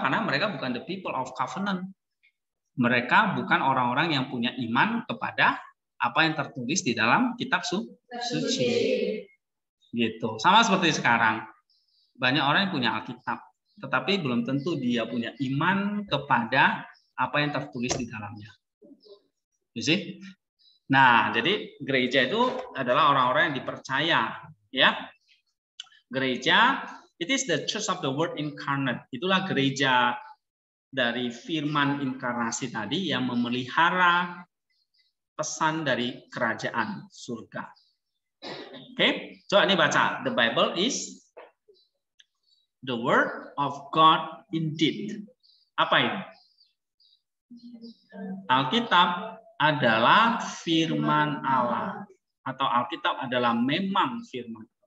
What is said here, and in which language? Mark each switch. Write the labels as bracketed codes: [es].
[id] Karena mereka bukan [en] the people of covenant. [id] Mereka bukan orang-orang yang punya iman kepada apa yang tertulis di dalam kitab suci. Gitu. Sama seperti sekarang. Banyak orang yang punya Alkitab, tetapi belum tentu dia punya iman kepada apa yang tertulis di dalamnya. [en] You see? [id] Nah, jadi gereja itu adalah orang-orang yang dipercaya, ya. Gereja, [en] it is the church of the word incarnate. [id] Itulah gereja dari firman inkarnasi tadi yang memelihara pesan dari kerajaan surga. Oke, okay? Coba ini baca. [en] The Bible is the word of God indeed. [id] Apa ini? Alkitab adalah firman Allah. Atau Alkitab adalah memang firman.